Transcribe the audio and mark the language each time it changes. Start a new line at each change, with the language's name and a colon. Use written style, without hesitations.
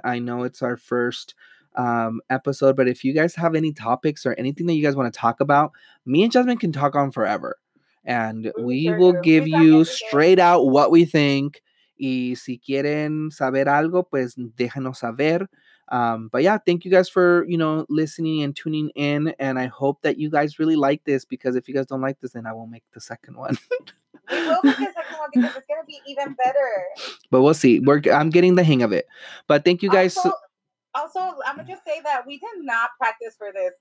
English: I know it's our first episode, but if you guys have any topics or anything that you guys want to talk about, me and Jasmine can talk on forever. And we will give you straight out what we think.
Spanish: Y si quieren saber algo, pues déjanos saber.
English: But yeah, thank you guys for, you know, listening and tuning in. And I hope that you guys really like this, because if you guys don't like this, then I will make the second one. We will make a second one because it's going to be even better. But we'll see. I'm getting the hang of it. But thank you guys. Also, I'm going to just say that we did not practice for this.